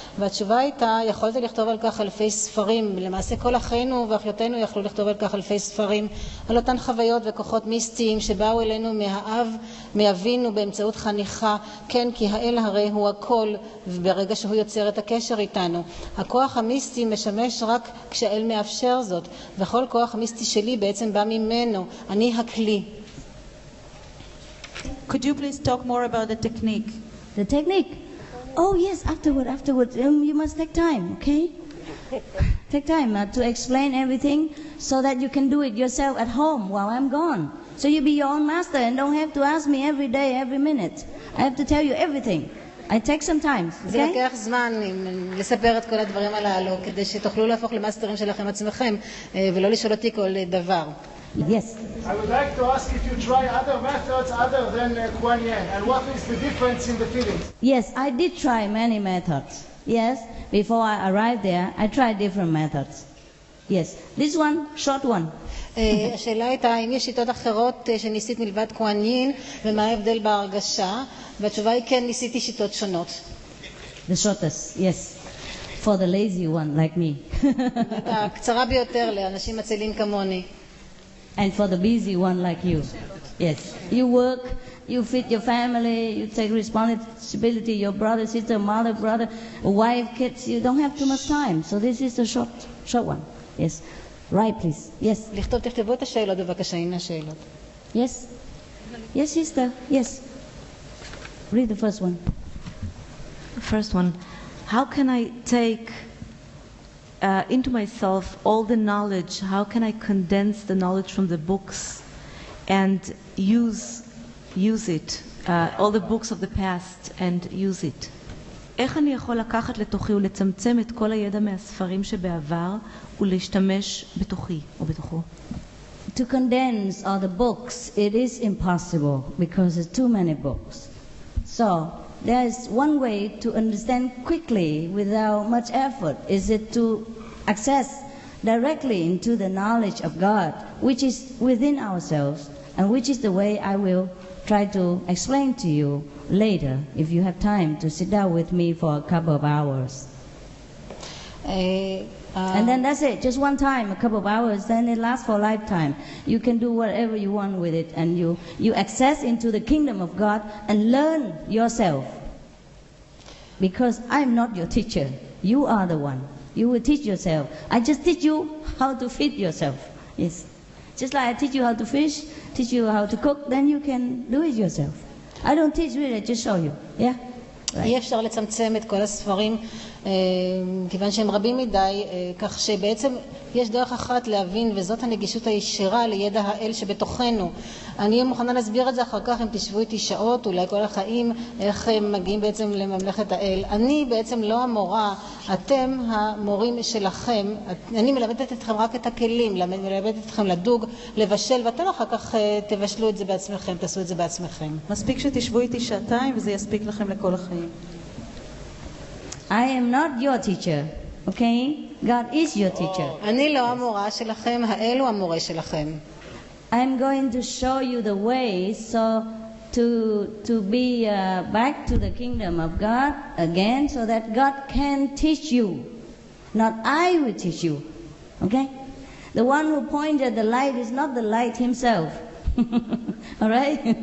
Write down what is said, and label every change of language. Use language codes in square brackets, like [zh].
[he] והתשובה הייתה, יכולת לכתוב על כך אלפי ספרים. למעשה כל אחינו ואחיותינו יכלו לכתוב על כך אלפי ספרים, על אותן חוויות וכוחות מיסטיים שבאו אלינו מהאב, מאבינו באמצעות חניכה. כן, כי האל הרי הוא הכל, וברגע שהוא יוצר את הקשר איתנו. הכוח המיסטי משמש רק כשהאל מאפשר זאת, וכל כוח מיסטי שלי בעצם בא ממנו. אני הכלי. [en] Could you please talk more about the technique? The technique? Oh yes, afterward. You must take time, okay? Take time to explain everything so that you can do it yourself at home while I'm gone. So you be your own master and don't have to ask me every day, every minute. I have to tell you everything. I take some time. [he] זה לקח זמן לספר את כל הדברים הללו כדי שתוכלו להפוך למאסטרים שלכם עצמכם ולא לשאול אותי כל דבר. [en] Yes. I would like to ask if you try other methods other than Kuan Yin, and what is the difference in the feelings? Yes, I did try many methods. Yes, before I arrived there, I tried different methods. Yes, this one, short one. [he] השאלה הייתה, האם יש שיטות אחרות שניסית מלבד כוהן יין, ומה ההבדל בהרגשה? והתשובה היא כן, ניסיתי שיטות שונות. [en] The shortest, yes. For the lazy one, like me. [he] הקצרה ביותר לאנשים מצילים כמוני. [en] And for the busy one, like you. Yes. You work, you feed your family, you take responsibility, your brother, sister, mother, brother, wife, kids, you don't have too much time. So this is the short one. Yes. Right, please. Yes. [he] לכתוב, תכתבו את השאלות, בבקשה, הנה השאלות. [en] Yes. Yes, sister. Yes. Read the first one. First one. How can I take into myself all the knowledge? How can I condense the knowledge from the books and use it, all the books of the past, and use it? [he] איך אני יכול לקחת לתוכי ולצמצם את כל הידע מהספרים שבעבר ולהשתמש בתוכי או בתוכו? [en] To condense all the books, it is impossible because there's too many books. So there is one way to understand quickly without much effort. Is it to access directly into the knowledge of God, which is within ourselves, and which is the way I will try to explain to you later, if you have time to sit down with me for a couple of hours. And then that's it, just one time, a couple of hours, then it lasts for a lifetime. You can do whatever you want with it, and you access into the kingdom of God and learn yourself. Because I'm not your teacher, you are the one. You will teach yourself. I just teach you how to feed yourself. Yes. Just like I teach you how to fish, teach you how to cook, then you can do it yourself. I don't teach really, I just show you. Yeah? [he] אי אפשר לצמצם את כל הספרים כיוון שהם רבים מדי, כך שבעצם יש דרך אחת להבין, וזאת הנגישות הישירה לידע האל שבתוכנו. אני מוכנה להסביר את זה אחר כך אם תשבו איתי שעות, אולי כל החיים, איך הם מגיעים בעצם לממלכת האל. אני בעצם לא המורה, אתם המורים שלכם. אני מלמדת אתכם רק את הכלים, מלמדת אתכם לדוג, לבשל, ואתם אחר כך תבשלו את זה בעצמכם, תעשו את זה בעצמכם. מספיק שתשבו איתי שעתיים וזה יספיק לכם לכל החיים. [en] I am not your teacher, okay? God is your teacher. [he] אני לא המורה שלכם, האל הוא המורה שלכם. [en] I am going to show you the way so to be back to the kingdom of God again so that God can teach you. Not I will teach you, okay? The one who pointed the light is not the light himself, all right?